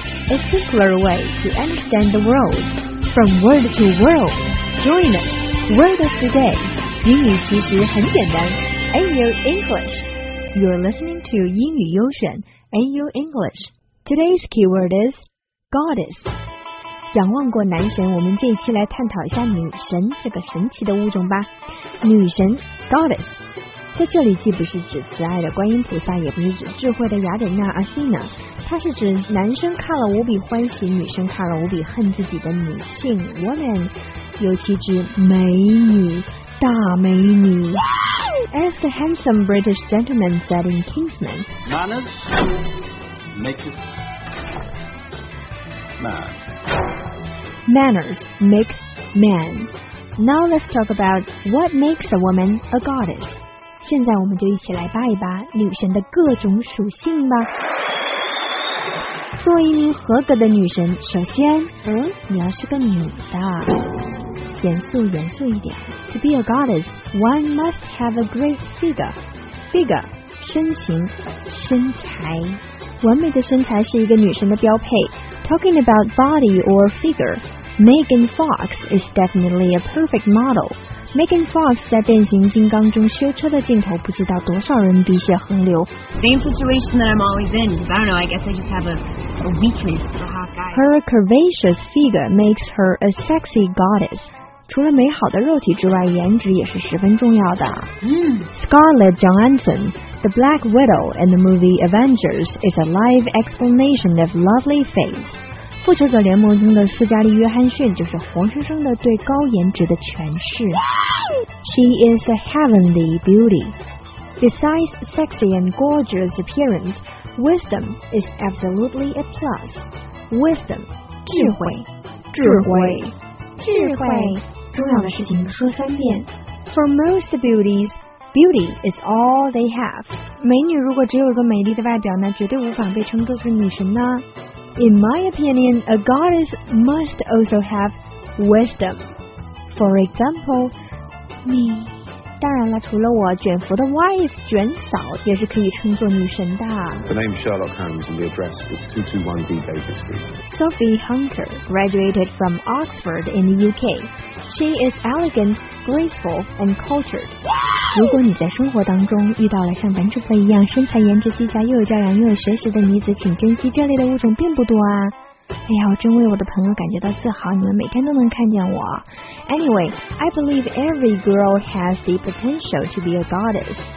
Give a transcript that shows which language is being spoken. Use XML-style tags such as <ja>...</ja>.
<en>A simpler way to understand the world. From word to world. Join us. Word of the day.</en> <zh>英语其实很简单。AU English.</zh> <en>You're listening to 英语优选 AU English. Today's keyword is goddess.</en> <zh>仰望过男神，我们这一期来探讨一下女神这个神奇的物种吧。女神 Goddess 在这里既不是指慈爱的观音菩萨，也不是指智慧的雅典娜 Athena， 它是指男生看了无比欢喜，女生看了无比恨自己的女性 Woman， 尤其指美女，大美女。</zh> <en>As the handsome British gentleman said in Kingsman, Manners make itManners make man. Now let's talk about what makes a woman a goddess.</en> <zh>现在我们就一起来扒一扒女神的各种属性吧。作为一名合格的女神，首先，你要是个女的。严肃严肃一点。</zh> <en>To be a goddess, one must have a great figure.</en> <zh>Figure, 身形，身材。完美的身材是一个女神的标配。</zh> <en>Talking about body or figure, Megan Fox is definitely a perfect model.</en> <zh>Megan Fox 在变形金刚中修车的镜头不知道多少人鼻血横流。</zh> <en>Same situation that I'm always in, because I don't know, I guess I just have a weakness for hot guys. Her curvaceous figure makes her a sexy goddess.</en> <zh>除了美好的肉体之外，颜值也是十分重要的。</zh> <en>Scarlett Johansson, The Black Widow and the movie Avengers is a live explanation of lovely face.</en> <zh>复仇者联盟中的斯嘉丽·约翰逊就是活生生的对高颜值的诠释。</zh> <en>She is a heavenly beauty. Besides sexy and gorgeous appearance, wisdom is absolutely a plus.</en> <zh>Wisdom, 智慧，智慧。重要的事情说三遍。</zh> <en>For most beauties, beauty is all they have.</en> <zh>美女如果只有一个美丽的外表，那绝对无法被称作是女神呢。</zh> <en>In my opinion, a goddess must also have wisdom. For example,</en> <zh>你当然了，除了我，卷福的 wife 卷嫂也是可以称作女神的。</zh> <en>The name Sherlock Holmes and the address is 221B Baker Street. Sophie Hunter graduated from Oxford in the UK. She is elegant, graceful, and cultured.</en> <zh>如果你在生活当中遇到了像男主播一样身材颜值俱佳又有教养又有学识的女子，请珍惜，这类的物种并不多啊。哎呀，我真为我的朋友感觉到自豪，你们每天都能看见我。</zh> <en>Anyway, I believe every girl has the potential to be a goddess.</en>